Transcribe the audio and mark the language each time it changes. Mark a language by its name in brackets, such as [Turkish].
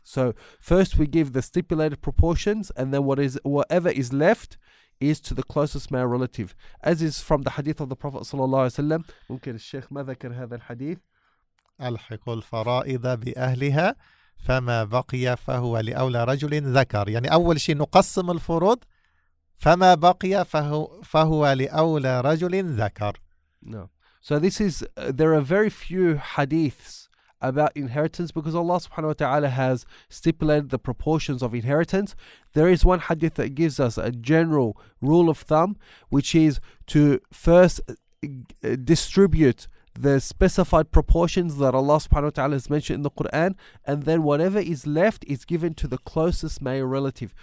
[English] So first we give the stipulated proportions, and then whatever is left is to the closest male relative. As is from the hadith of the Prophet ﷺ. [Arabic] ممكن الشيخ ما ذكر هذا الحديث؟ ألحق الفرائض بأهلها فما بقي فهو لأولى رجل ذكر. يعني أول شيء نقسم الفروض، فما بقي فهو لأولى رجل ذكر. [English] No. So this is, there are very few hadiths about inheritance because Allah subhanahu wa ta'ala has stipulated the proportions of inheritance. There is one hadith that gives us a general rule of thumb, which is to first distribute the specified proportions that Allah subhanahu wa ta'ala has mentioned in the Quran, and then whatever is left is given to the closest male relative.